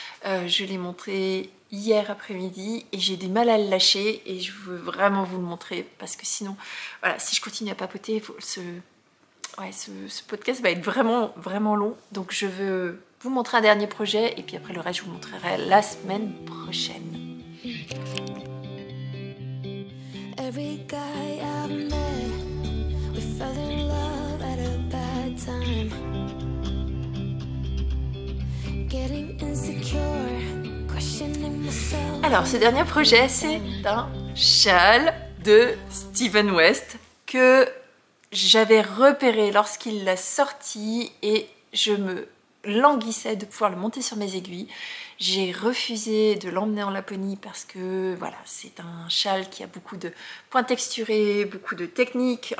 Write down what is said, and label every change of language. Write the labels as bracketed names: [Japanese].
[French] Je l'ai montré hier après-midi et j'ai du mal à le lâcher, et je veux vraiment vous le montrer parce que sinon voilà, si je continue à papoter, ce podcast va être vraiment vraiment long, donc je veux vous montrer un dernier projet et puis après le reste je vous montrerai la semaine prochaine. [English] every guy I've met, we fell in love at a bad time. Getting insecure, questioning myself. [French] Alors, ce dernier projet, c'est un châle de Steven West que j'avais repéré lorsqu'il l'a sorti et je me languissais de pouvoir le monter sur mes aiguilles. J'ai refusé de l'emmener en Laponie parce que voilà, c'est un châle qui a beaucoup de points texturés, beaucoup de techniques.